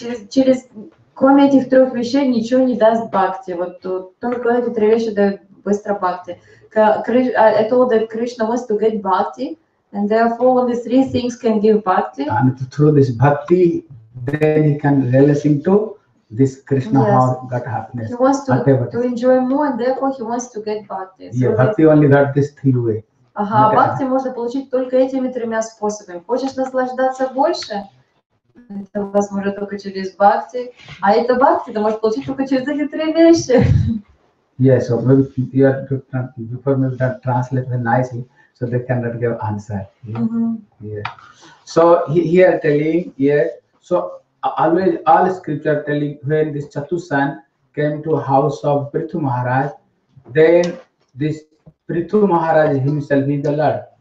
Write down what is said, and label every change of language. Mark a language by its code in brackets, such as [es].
[ru] Через кроме этих трех вещей ничего не даст бхакти. Вот только эти три вещи дают быстро бхакти. [en] I told that Krishna wants to get bhakti, and therefore only three things can give bhakti. And through this bhakti, then he can realize to this Krishna heart got happiness. He wants to enjoy more, and therefore he wants to get bhakti. So yeah, bhakti only got this three way. [ru] Ага, бхакти можно получить только этими тремя способами. Хочешь наслаждаться больше? Это возможно только через бхакти. А это бхакти ты можешь получить только через эти три вещи. [en] Yes, so maybe you have to before maybe that translate it nicely so they cannot give answer. Yeah. So here telling, so always all scripture telling when this Chatusan came to house of Prithu Maharaj, then this Prithu Maharaj himself is the Lord.